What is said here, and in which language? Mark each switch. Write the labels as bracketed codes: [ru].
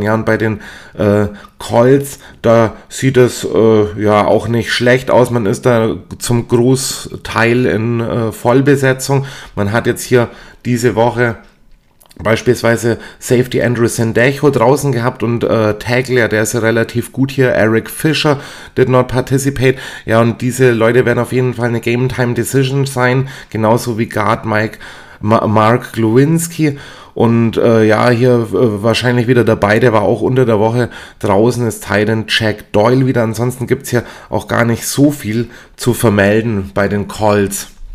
[de] Ja, und bei den Colts, da sieht es ja auch nicht schlecht aus. Man ist da zum Großteil in Vollbesetzung. Man hat jetzt hier diese Woche beispielsweise Safety Andrew Sendejo draußen gehabt und Tackle, ja, der ist ja relativ gut hier. [en] Eric Fisher did not participate. [de] Ja, und diese Leute werden auf jeden Fall eine Game-Time-Decision sein, genauso wie Guard Mark Glowinski. Und ja, hier wahrscheinlich wieder dabei, der war auch unter der Woche draußen, ist Titan Jack Doyle wieder. Ansonsten gibt es hier auch gar nicht so viel zu vermelden bei den Colts.